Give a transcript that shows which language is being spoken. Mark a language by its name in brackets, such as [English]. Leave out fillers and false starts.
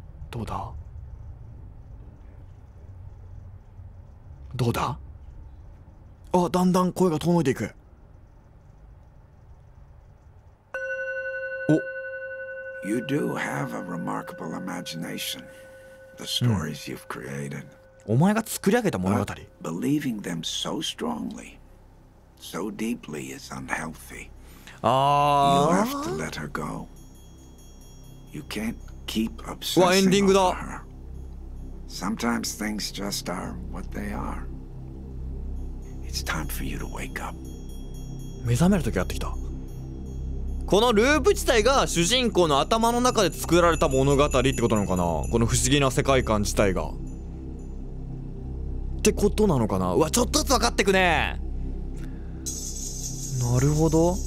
[Japanese] どうだ、どうだ。あ、だんだん声が遠のいていく。お、 [English] You do have a remarkable imagination. The stories you've created. [Japanese] お前が作り上げた物語。 [English] Believing them so strongly, so deeply is unhealthy. You have to let her go. You can't keep obsessing over her. Sometimes things just are what they are. It's time for you to wake up. [Japanese] 目覚める時がやってきた。このループ自体が主人公の頭の中で作られた物語ってことなのかな。この不思議な世界観自体が。ってことなのかな。うわ、ちょっとずつ分かってくね。なるほど。